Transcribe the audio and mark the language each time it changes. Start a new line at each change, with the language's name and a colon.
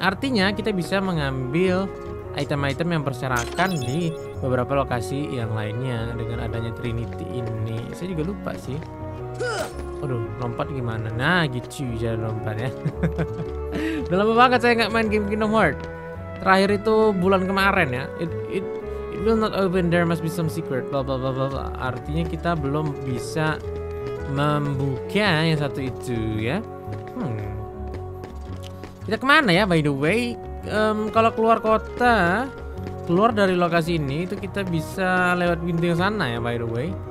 Indonesian: Artinya kita bisa mengambil item-item yang berserakan di beberapa lokasi yang lainnya dengan adanya Trinity ini. Saya juga lupa sih. Aduh, lompat gimana? Nah, gitu aja lompat ya. Udah lama banget saya nggak main game Kingdom Hearts. Terakhir itu bulan kemarin ya.
English: It will not open, there must be some secret.
Indonesian: Artinya kita belum bisa membuka yang satu itu ya. Kita kemana ya,
English: by the way?
Indonesian: Kalau keluar kota, keluar dari lokasi ini, itu kita bisa lewat pintu yang sana ya,
English: by the way.